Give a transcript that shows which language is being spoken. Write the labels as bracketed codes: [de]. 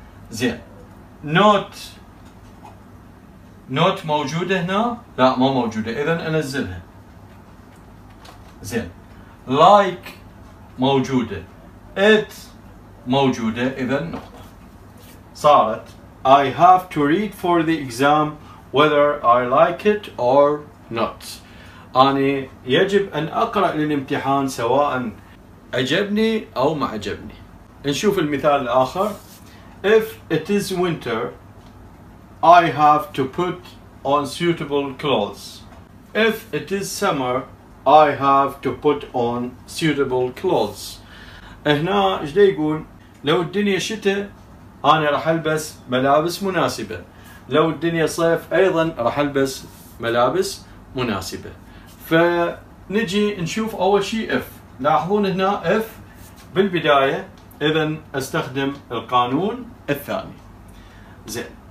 [ar] زين نوت، نوت موجودة هنا؟ لا ما موجودة، إذن أنزلها. زين لايك موجودة. It موجودة إذن صارت. [en] I have to read for the exam whether I like it or not. [ar] أنا يجب أن أقرأ للامتحان سواء عجبني أو ما عجبني. نشوف المثال الآخر. [en] If it is winter, I have to put on suitable clothes. If it is summer, I have to put on suitable clothes. [ar] هنا جدي يقول لو الدنيا شتاء أنا رح ألبس ملابس مناسبة. لو الدنيا صيف أيضا رح ألبس ملابس مناسبة. فنجي نشوف أول شيء if. لاحظون هنا if بالبداية إذا استخدم القانون الثاني. زين.